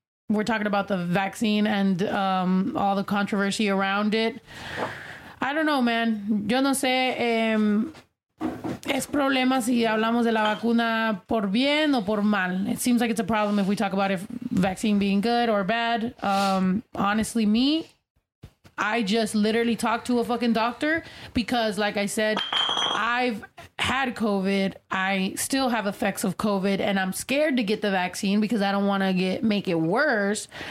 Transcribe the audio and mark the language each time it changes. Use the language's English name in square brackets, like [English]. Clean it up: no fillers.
[English] We're talking about the vaccine and all the controversy around it. I don't know, man. [Spanish] Yo no sé. Es problema si hablamos de la vacuna por bien o por mal. [English] It seems like it's a problem if we talk about if vaccine being good or bad. Honestly, me, I just literally talked to a fucking doctor because, like I said, I've had COVID. I still have effects of COVID and I'm scared to get the vaccine because I don't want to get make it worse.